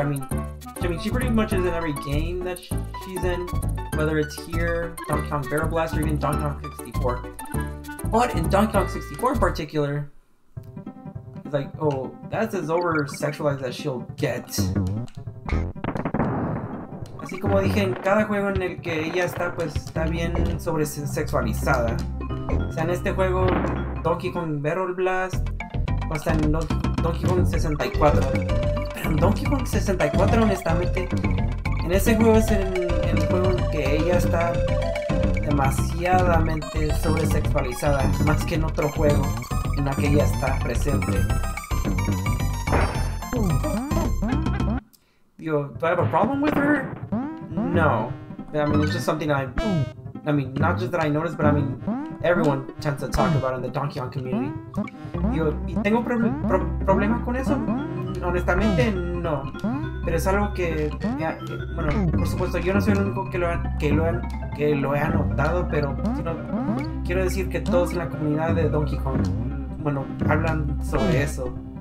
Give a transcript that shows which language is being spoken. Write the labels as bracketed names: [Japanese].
[English] I mean, she pretty much is in every game that she's in, whether it's here, Donkey Kong Barrel Blast, or even Donkey Kong 64. But in Donkey Kong 64 in particular, like, oh, that's as over-sexualized as she'll get. [Spanish] Así como dije, en cada juego en el que ella está, pues, está bien sobre-sexualizada. O sea, en este juego, Donkey Kong Barrel Blast, o sea, en Donkey Kong 64. Pero en Donkey Kong 64, honestamente, en ese juego es en el juego en que ella está demasiadamente sobre-sexualizada, más que en otro juego en la que ella está presente. [English] Yo, do I have a problem with her? No. I mean, it's just something I mean, not just that I noticed, but I mean, everyone tends to talk about in the Donkey Kong community. [Spanish] Yo, ¿y tengo problema con eso? Honestamente, no. Pero es algo que, bueno, por supuesto, yo no soy el único que lo ha notado, pero sino, quiero decir que todos en la comunidad de Donkey Kong, bueno, hablan sobre eso.